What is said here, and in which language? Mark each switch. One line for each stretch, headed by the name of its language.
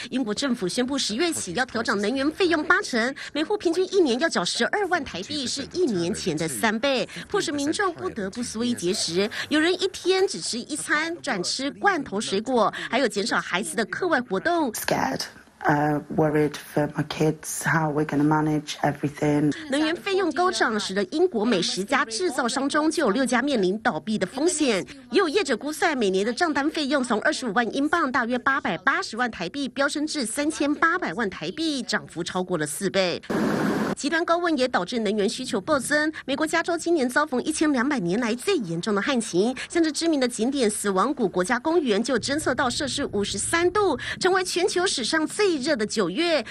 Chinese: 英国政府宣布10月起要调涨能源费用80%，每户平均一年要缴12万台币，是一年前的3倍，迫使民众不得不缩衣节食。有人一天只吃一餐，转吃罐头水果，还有减少孩子的课外活动。
English: Worried for my kids, how we're going to manage everything.
Chinese: 能源费用高涨，使得英国美食家制造商中就有6家面临倒闭的风险。也有业者估算，每年的账单费用从25万英镑，大约880万台币，飙升至3800万台币，涨幅超过了4倍。极端高温也导致能源需求暴增。美国加州今年遭逢1200年来最严重的旱情，像这知名的景点死亡谷国家公园就侦测到摄氏53度，成为全球史上最热的9月。